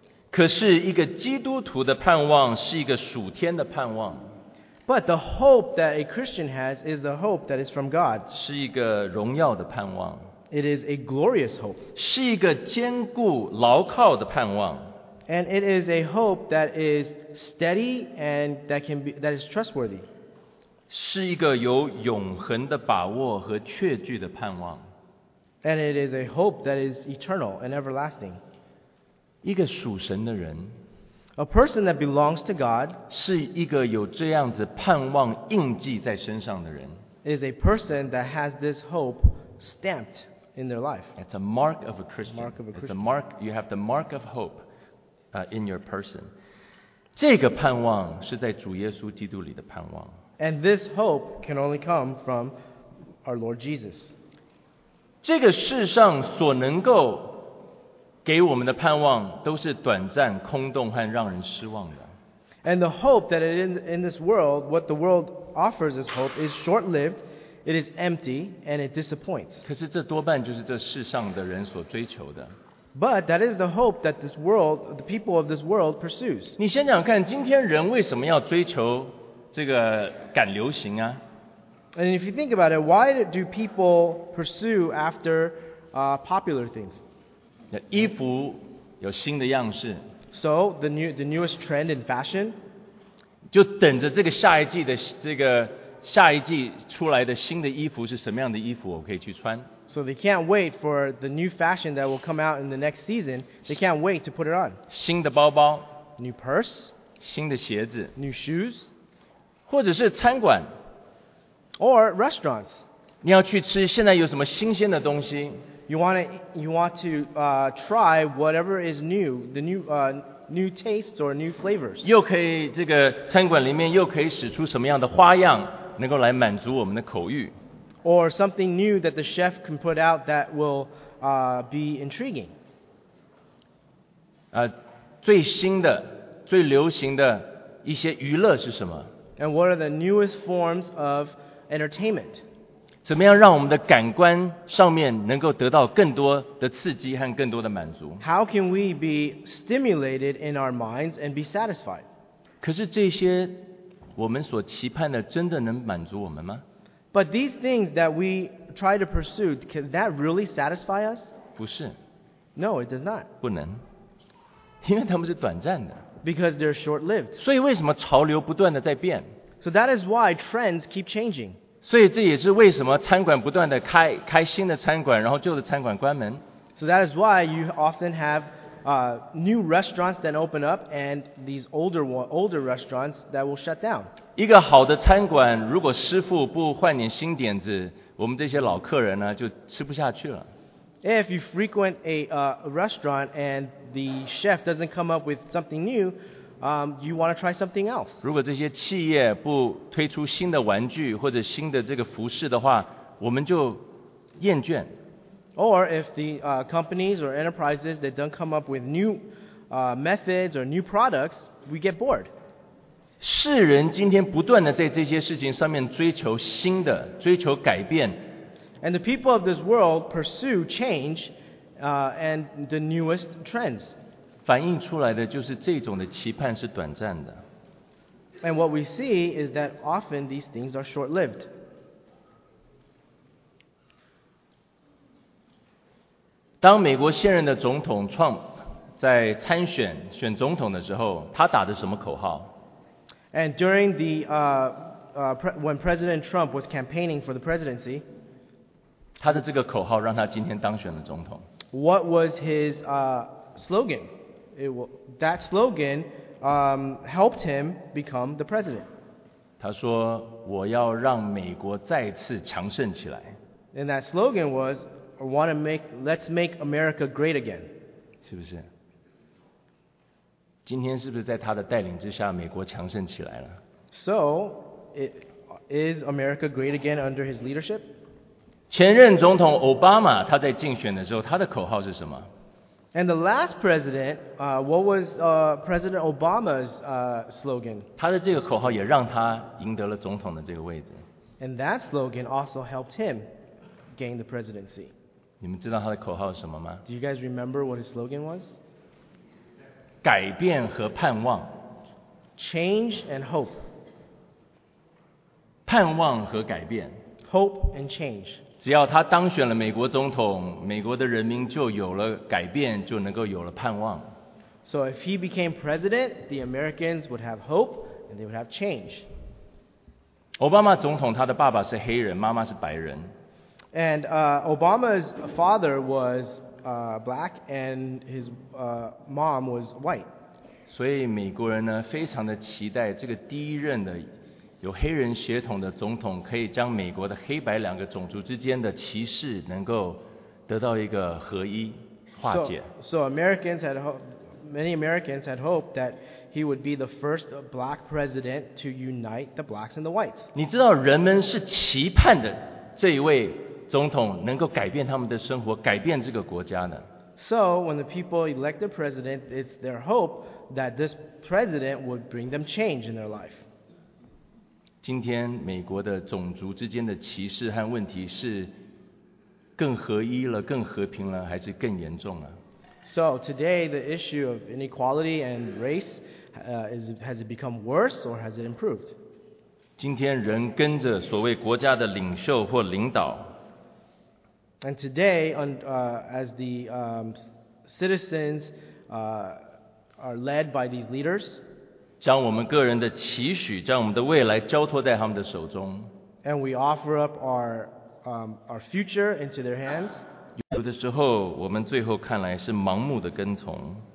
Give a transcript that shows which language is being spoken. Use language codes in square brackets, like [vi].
[zh] 可是一个基督徒的盼望是一个属天的盼望。 [en] But the hope that a Christian has is the hope that is from God. [zh] 是一个荣耀的盼望。 [en] It is a glorious hope. [zh] 是一个坚固牢靠的盼望。 [en] And it is a hope that is steady and that is trustworthy. [zh] 是一个有永恒的把握和确据的盼望。 [en] And it is a hope that is eternal and everlasting. [zh] 一个属神的人 [en] ，a person that belongs to God， [zh] 是一个有这样子盼望印记在身上的人 [en] ，is a person that has this hope stamped in their life. It's a mark of a Christian. Mark of a Christian. It's a mark. You have the mark of hope, in your person. [zh] 这个盼望是在主耶稣基督里的盼望。 [en] And this hope can only come from our Lord Jesus. [zh] 这个世上所能够给我们的盼望都是短暂、空洞和让人失望的。 [en] And the hope that in this world, what the world offers as hope is short-lived, it is empty, and it disappoints. [zh] 可是这多半就是这世上的人所追求的。 [en] But that is the hope that this world, the people of this world pursues. [zh] 你想想看，今天人为什么要追求这个赶流行啊？ [en] And if you think about it, why do people pursue after popular things? [zh] 衣服有新的样式 [en] ，so the newest trend in fashion， [zh] 就等着这个下一季的这个下一季出来的新的衣服是什么样的衣服，我可以去穿。 [en] So they can't wait for the new fashion that will come out in the next season. They can't wait to put it on. [zh] 新的包包 [en] ，new purse， [zh] 新的鞋子 [en] ，new shoes， [zh] 或者是餐馆 [en] ，or restaurants， [zh] 你要去吃现在有什么新鲜的东西。 [en] You want to try whatever is new, the new tastes or new flavors. [zh] 又可以这个餐馆里面又可以使出什么样的花样，能够来满足我们的口欲。 [en] Or something new that the chef can put out that will be intriguing. [zh] 最新的、最流行的一些娱乐是什么 [en] ？And what are the newest forms of entertainment? [zh] 怎么样让我们的感官上面能够得到更多的刺激和更多的满足 [en] ？How can we be stimulated in our minds and be satisfied？ [zh] 可是这些我们所期盼的，真的能满足我们吗 [en] ？But these things that we try to pursue, can that really satisfy us？ [zh] 不是。 [en] No, it does not. [zh] 不能，因为他们是短暂的。 [en] Because they're short-lived. [zh] 所以为什么潮流不断的在变 [en] ？So that is why trends keep changing. [zh] 所以这也是为什么餐馆不断的开新的餐馆，然后旧的餐馆关门。 [en] So that is why you often have new restaurants that open up and these older restaurants that will shut down. [zh] 一个好的餐馆，如果师傅不换点新点子，我们这些老客人呢就吃不下去了。 [en] If you frequent a restaurant and the chef doesn't come up with something new, you want to try something else. [zh] 如果这些企业不推出新的玩具或者新的这个服饰的话，我们就厌倦。 [en] Or if the companies or enterprises that don't come up with new methods or new products, we get bored. [zh] 世人今天不断地在这些事情上面追求新的，追求改变。 [en] And the people of this world pursue change and the newest trends. [zh] 反映出来的就是这种的期盼是短暂的。 [en] And what we see is that often these things are short-lived. [zh] 当美国现任的总统 Trump 在参选选总统的时候，他打的什么口号？ [en] And during the when President Trump was campaigning for the presidency, [zh] 他的这个口号让他今天当选了总统。 [en] What was his slogan? That slogan helped him become the president. [zh] 他说：“我要让美国再次强盛起来。” [en] And that slogan was. Let's make America great again. [zh] 是不是？今天是不是在他的带领之下，美国强盛起来了？ [en] So, is America great again under his leadership? [zh] 前任总统奥巴马他在竞选的时候，他的口号是什么？ [en] And the last president, what was President Obama's slogan? [zh] 他的这个口号也让他赢得了总统的这个位置。 [en] And that slogan also helped him gain the presidency. [zh] 你们知道他的口号是什么吗？ [en] Do you guys remember what his slogan was? [zh] 改变和盼望。 [en] Change and hope. [zh] 盼望和改变。 [en] Hope and change. [zh] 只要他当选了美国总统，美国的人民就有了改变，就能够有了盼望。 [en] So if he became president, the Americans would have hope and they would have change. [zh] 奥巴马总统他的爸爸是黑人，妈妈是白人。 [en] And Obama's father was black, and his mom was white. [zh] 所以美国人呢，非常的期待这个第一任的有黑人血统的总统，可以将美国的黑白两个种族之间的歧视能够得到一个合一化解。 [en] So Americans had many Americans had hoped that he would be the first black president to unite the blacks and the whites. [zh] 你知道人们是期盼的这一位。总统能够改变他们的生活，改变这个国家呢 [en] ？So when the people elect the president, it's their hope that this president would bring them change in their life. [zh] 今天美国的种族之间的歧视和问题是更合一了、更和平了，还是更严重了 [en] ？So today the issue of inequality and race has it become worse or has it improved? [zh] 今天人跟着所谓国家的领袖或领导。 [en] And today, as the citizens are led by these leaders, [zh] 将我们个人的期许，将我们的未来交托在他们的手中。 [en] And we offer up our future into their hands. [zh] 有的时候，我们最后看来是盲目的跟从。